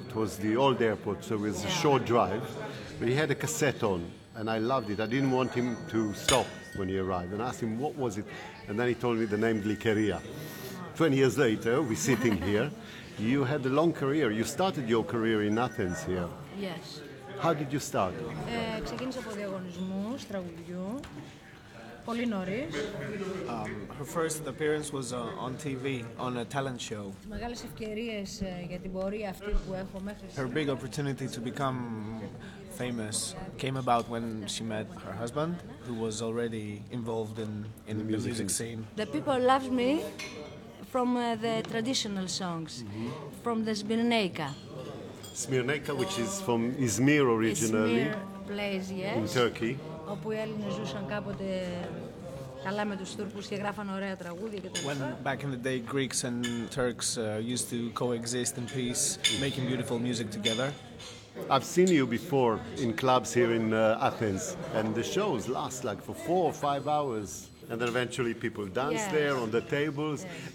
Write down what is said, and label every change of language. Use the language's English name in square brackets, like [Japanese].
[English] It was the old airport, so it was a short drive. But he had a cassette on, and I loved it. I didn't want him to stop when he arrived. And I asked him, what was it? And then he told me the name Glykeria. 20 years later, we're sitting here. You had a long career. You started your career in Athens here. Yes. How did you start? [Greek] Ξεκίνησα από διαγωνισμούς τραγουδιού. Πολύ νωρίς. [English] Her first appearance was on TV, on a talent show. [Greek] Μεγάλες ευκαιρίες για την πορεία αυτή που έχω μέχρι [English] σήμερα. Her big opportunity to become famous came about when she met her husband, who was already involved in the music scene. The people love me from the traditional songs, mm-hmm. from the Smyrnaika. Smyrnaika, which is from Izmir originally, Izmir plays, yes. in Turkey. [Greek] Όπου οι Έλληνες ζούσαν κάποτε καλά με τους Τούρκους και γράφαν ωραία τραγούδια και [English] When back in the day Greeks and Turks used to coexist in peace, making beautiful music together. I've seen you before in clubs here in Athens, and the shows last like for 4 or 5 hours, and then eventually people dance there on the tables. Yes.